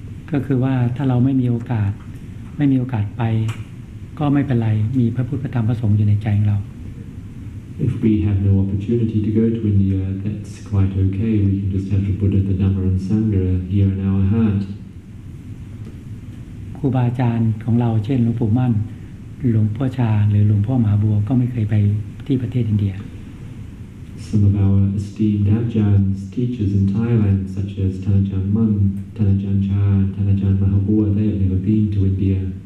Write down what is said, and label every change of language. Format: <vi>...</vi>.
<th>ก็คือว่าถ้าเราไม่มีโอกาสไม่มีโอกาสไปก็ไม่เป็นไรมีพระพุทธพระธรรมพระสงฆ์อยู่ในใจของเรา</th> <en>If we have no opportunity to go to India that's quite okay we can just have the Buddha the Dhamma and Sangha here in our heart</en> <th>ครูบาอาจารย์ของเราเช่นหลวงปู่มั่นหลวงพ่อชาหรือหลวงพ่อมหาบัวก็ไม่เคยไปที่ประเทศอินเดีย</th> <en>Some of our esteemed Ajahn's teachers in Thailand such as Thanachan Mun Thanachan Cha Thanachan Mahabua they have never been to India</en>